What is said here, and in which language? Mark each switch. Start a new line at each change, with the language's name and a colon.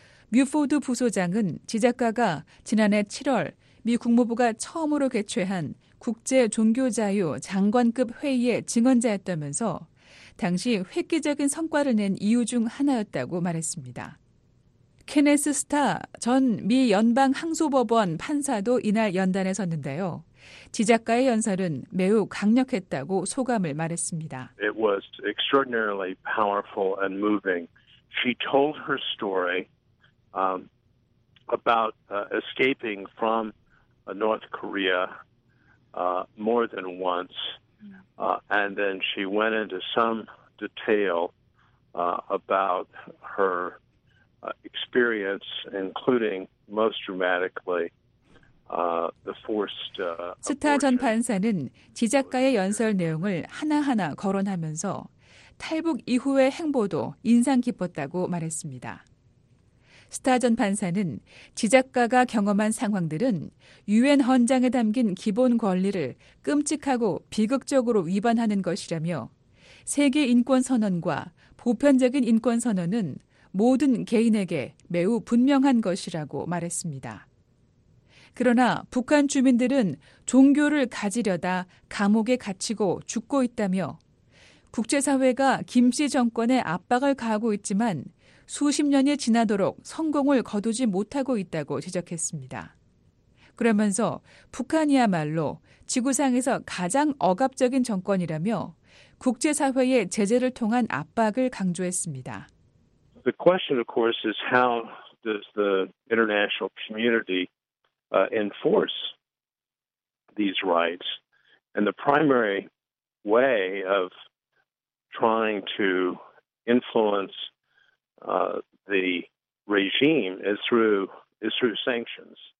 Korean: 뮤포드 부소장은 지작가가 지난해 7월 미 국무부가 처음으로 개최한 국제종교자유 장관급 회의의 증언자였다면서 당시 획기적인 성과를 낸 이유 중 하나였다고 말했습니다. 케네스 스타 전 미 연방항소법원 판사도 이날 연단에 섰는데요. 지작가의 연설은 매우 강력했다고 소감을 말했습니다.
English: It was extraordinarily powerful and moving. She told her story about escaping from North Korea more than once. And then she went into some detail about her experience, including most dramatically the forced abortion.
Korean: 스타 전 판사는 지작가의 연설 내용을 하나하나 거론하면서 탈북 이후의 행보도 인상 깊었다고 말했습니다. 스타 전 판사는 지작가가 경험한 상황들은 유엔 헌장에 담긴 기본 권리를 끔찍하고 비극적으로 위반하는 것이라며 세계 인권 선언과 보편적인 인권 선언은 모든 개인에게 매우 분명한 것이라고 말했습니다. 그러나 북한 주민들은 종교를 가지려다 감옥에 갇히고 죽고 있다며 국제사회가 김 씨 정권에 압박을 가하고 있지만 수십 년이 지나도록 성공을 거두지 못하고 있다고 지적했습니다. 그러면서 북한이야말로 지구상에서 가장 억압적인 정권이라며 국제사회의 제재를 통한 압박을 강조했습니다.
English: The question, of course, is how does the international community enforce these rights? And the primary way of trying to influence the regime is through sanctions.